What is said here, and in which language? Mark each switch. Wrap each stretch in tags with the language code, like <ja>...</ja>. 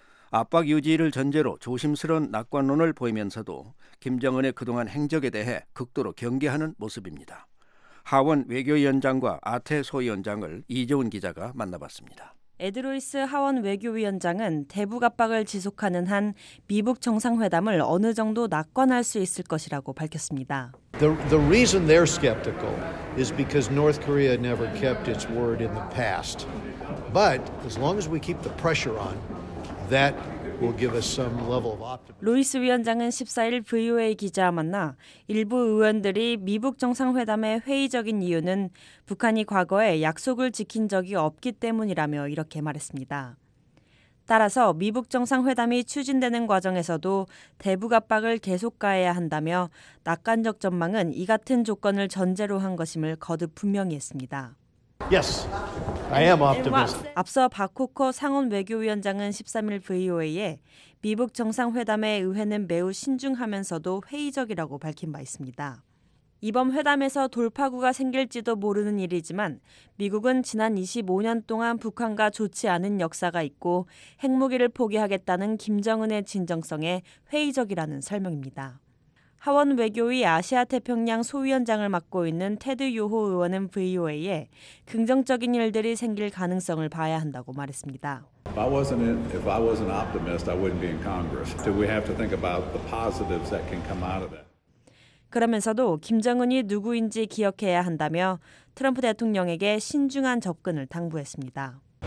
<ko>압박 유지를 전제로 조심스러운 낙관론을 보이면서도 김정은의 그동안 행적에 대해 극도로 경계하는 모습입니다. 하원 외교위원장과 아태 소위원장을 이재훈 기자가 만나봤습니다. 에드로이스 하원 외교위원장은 대북 압박을 지속하는 한 미북 정상회담을 어느 정도 낙관할 수 있을 것이라고 밝혔습니다.</ko> <en>The reason they're skeptical is because North Korea never kept its word in the past. But as long as we keep the pressure on, that will give us some level of optimism.</en> <ko>로이스 위원장은 14일 VOA 기자와 만나 일부 의원들이 미북 정상회담의 회의적인 이유는 북한이 과거에 약속을 지킨 적이 없기 때문이라며 이렇게 말했습니다. 따라서 미북 정상회담이 추진되는 과정에서도 대북 압박을 계속 가해야 한다며 낙관적 전망은 이 같은 조건을 전제로 한 것임을 거듭 분명히 했습니다.</ko> <en>Yes, I am optimistic.</en> <ko>앞서 박 코커 상원 외교위원장은 13일 VOA에 미북 정상회담의 의회는 매우 신중하면서도 회의적이라고 밝힌 바 있습니다. 이번 회담에서 돌파구가 생길지도 모르는 일이지만 미국은 지난 25년 동안 북한과 좋지 않은 역사가 있고 핵무기를 포기하겠다는 김정은의 진정성에 회의적이라는 설명입니다. 하원 외교위 아시아태평양 소위원장을 맡고 있는 테드 요호 의원은 VOA에 긍정적인 일들이 생길 가능성을 봐야 한다고 말했습니다.</ko> <en>If I wasn't an optimist, I wouldn't be in Congress. Do we have to think about the positives that can come out of it?</en> <ko>그러면서도 김정은이 누구인지 기억해야 한다며 트럼프 대통령에게 신중한 접근을 당부했습니다.</ko>